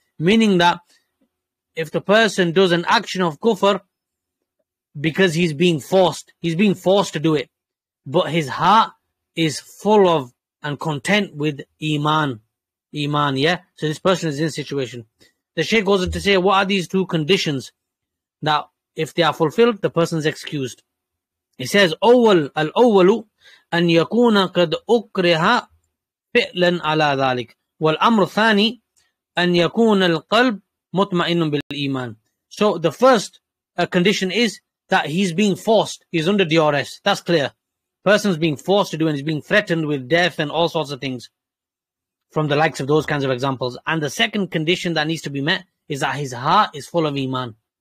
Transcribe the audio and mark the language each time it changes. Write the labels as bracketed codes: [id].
[en] Meaning that if the person does an action of kufr because he's being forced to do it, but his heart is full of and content with iman, Iman, yeah? So this person is in a situation. The Shaykh goes on to say, what are these two conditions? That if they are fulfilled, the person's excused. He says, [ar] أول الأول أن يكون قد أكره فعلا على ذلك والأمر الثاني أن يكون القلب مطمئن بالإيمان. [en] So the first condition is that he's being forced. He's under duress. That's clear. Person's being forced to do, and he's being threatened with death and all sorts of things from the likes of those kinds of examples. And the second condition that needs to be met is that his heart is full of Iman.